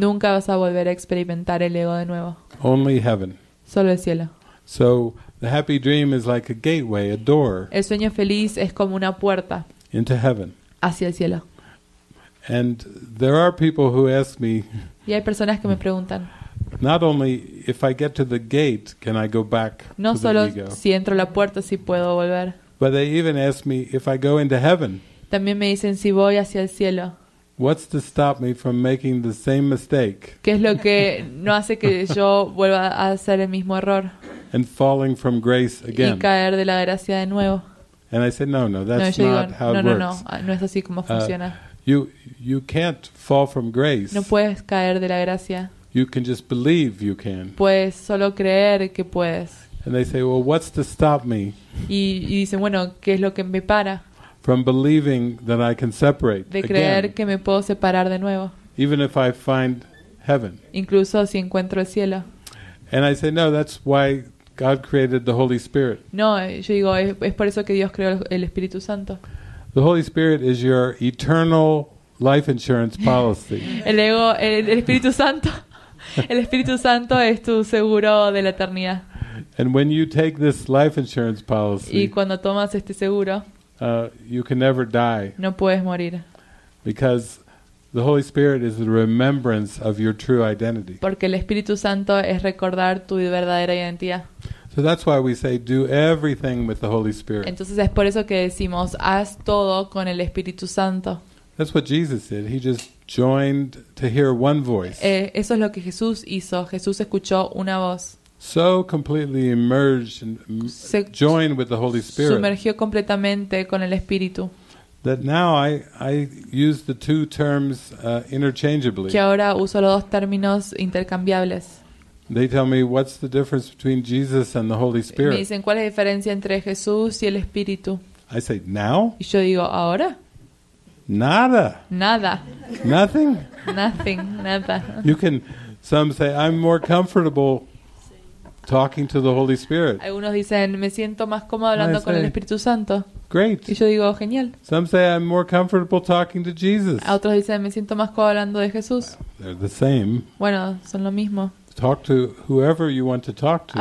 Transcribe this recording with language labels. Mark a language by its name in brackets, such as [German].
[Spanish] Nunca vas a volver a experimentar el ego de nuevo. [English] Only heaven. [Spanish] Solo el cielo. [English] So the happy dream is like a gateway, a door. [Spanish] El sueño feliz es como una puerta. [English] Into heaven. [Spanish] Hacia el cielo. [English] And there are people who ask me. [Spanish] Y hay personas que me preguntan. [English] Not only if I get to the gate, can I go back to the ego? [Spanish] No solo si entro a la puerta, si puedo volver. [English] But they even ask me if I go into heaven. [Spanish] También me dicen si voy hacia el cielo. [English] What's to stop me from making the same mistake? [Spanish] ¿Qué es lo que no hace que yo vuelva a hacer el mismo error? [English] And falling from grace again. [Spanish] Y caer de la gracia de nuevo. [English] And I said, no, that's not [Spanish] digo, [English] how it [Spanish] no, [English] works. [Spanish] No, es así como funciona. [English] You can't fall from grace. [Spanish] No puedes caer de la gracia. [English] You can just believe you can. [Spanish] Puedes solo creer que puedes. [English] And they say, well, what's to stop me? [Spanish] Y dicen, bueno, ¿qué es lo que me para? [English] From believing that I can separate [Spanish] de creer [English] again. [Spanish] Que me puedo separar de nuevo. [English] Even if I find heaven. [Spanish] Incluso si encuentro el cielo. [English] And I say, no, that's why God created the Holy Spirit. [Spanish] No, yo digo, es por eso que Dios creó el Espíritu Santo. [English] The Holy Spirit is your eternal life insurance policy. [Spanish] El Espíritu Santo es tu seguro de la eternidad. [English] And when you take this life insurance policy, [Spanish] y cuando tomas este seguro, [English] you can never die. [Spanish] No puedes morir. [English] Because the Holy Spirit is the remembrance of your true identity. [Spanish] Porque el Espíritu Santo es recordar tu verdadera identidad. [English] So that's why we say do everything with the Holy Spirit. [Spanish] Entonces es por eso que decimos haz todo con el Espíritu Santo. [English] That's what Jesus did. He just joined to hear one voice. [Spanish] Eso es lo que Jesús hizo. Jesús escuchó una voz. [English] So completely immersed and joined with the Holy Spirit. [Spanish] Sumergió completamente con el Espíritu. [English] That now I use the two terms interchangeably. [Spanish] Que ahora uso los dos términos intercambiables. [English] They tell me what's the difference between Jesus and the Holy Spirit. [Spanish] Me dicen cuál es la diferencia entre Jesús y el Espíritu. [English] I say now. [Spanish] Y yo digo ahora. Nada. Nada. [English] Nothing. Nothing. [Spanish] Nada. [English] You can. Some say I'm more comfortable talking to the Holy Spirit. [Spanish] Algunos dicen me siento más cómodo hablando con el Espíritu Santo. [English] Great. [Spanish] Y yo digo genial. [English] Some say I'm more comfortable talking to Jesus. [Spanish] Otros dicen me siento más cómodo hablando de Jesús. [English] They're the same. [Spanish] Bueno, son lo mismo. [English] Talk to whoever you want to talk to.